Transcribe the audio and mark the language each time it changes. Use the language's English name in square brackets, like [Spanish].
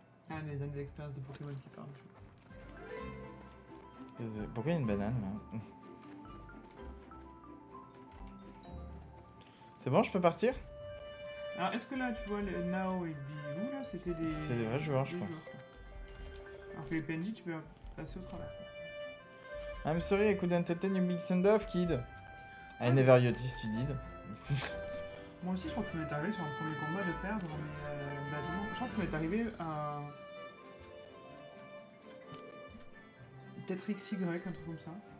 [French] Ah, les années d'expérience de Pokémon qui parlent. Pourquoi il y a une banane là? C'est bon, je peux partir? Alors, est-ce que là, tu vois, le Nao et Biyu, là, c'était des... C'est des vrais joueurs, des je joueurs. Pense. Alors que les PNJ, tu peux passer au travers. [English] I'm sorry, I couldn't attend your big send-off, kid. I never noticed you did. [French] Moi aussi, je crois que ça m'est arrivé sur un premier combat de perdre, mais je crois que ça m'est arrivé à... Peut-être XY, un truc comme ça.